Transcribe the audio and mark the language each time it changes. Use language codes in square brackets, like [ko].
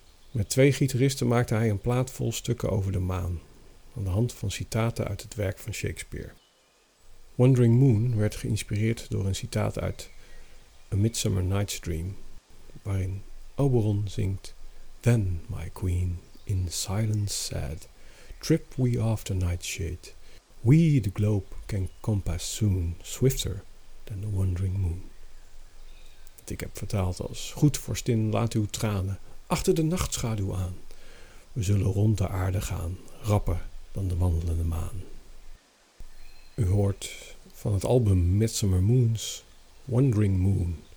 [nl] Met 2 gitaristen maakte hij een plaat vol stukken over de maan, aan de hand van citaten uit het werk van Shakespeare. Wandering Moon werd geïnspireerd door een citaat uit A Midsummer Night's Dream, waarin Oberon zingt [en] Then, my queen, in silence sad, trip we after nightshade. We the globe can compass soon, swifter than the wandering moon. [nl] Dat ik heb vertaald als Goed vorstin, laat uw tranen achter de nachtschaduw aan. We zullen rond de aarde gaan, rapper dan de wandelende maan. U hoort van het album Midsummer Moons, Wandering Moon.